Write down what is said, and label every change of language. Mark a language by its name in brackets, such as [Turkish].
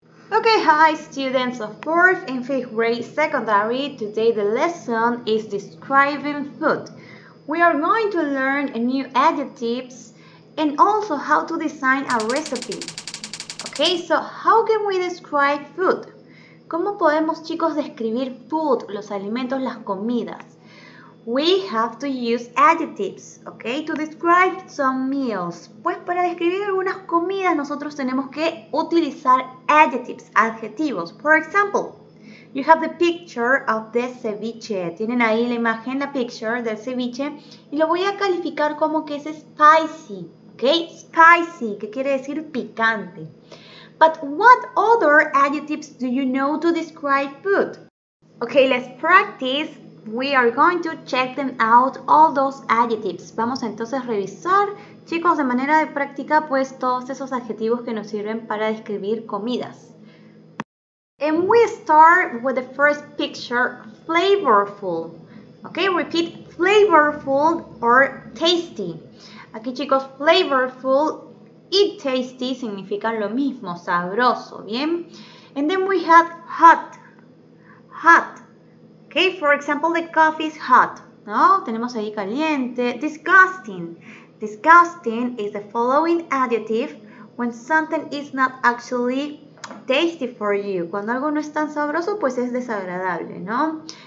[English] Okay, hi students of 4th and 5th grade secondary. Today the lesson is describing food. We are going to learn new adjectives and also how to design a recipe. Okay, so how can we describe food? [Spanish] ¿Cómo podemos, chicos, describir food, los alimentos, las comidas? [English] We have to use adjectives, okay, to describe some meals. [Spanish] Pues para describir algunas comidas nosotros tenemos que utilizar adjectives, adjetivos. [English] For example, you have the picture of the ceviche. [Spanish] Tienen ahí la imagen, la picture del ceviche. Y lo voy a calificar como que es spicy, okay, spicy, que quiere decir picante. [English] But what other adjectives do you know to describe food? Okay, let's practice. We are going to check them out, all those adjectives. [Spanish] Vamos entonces a revisar, chicos, de manera de práctica, pues todos esos adjetivos que nos sirven para describir comidas. [English] And we start with the first picture, flavorful. Okay, repeat, flavorful or tasty. [Spanish] Aquí, chicos, flavorful y tasty significan lo mismo, sabroso, ¿bien? [English] And then we have hot, hot. Okay, for example, the coffee is hot, ¿no? [Spanish] Tenemos ahí caliente. Disgusting. [English] Disgusting is the following adjective when something is not actually tasty for you. [Spanish] Cuando algo no es tan sabroso, pues es desagradable, ¿no?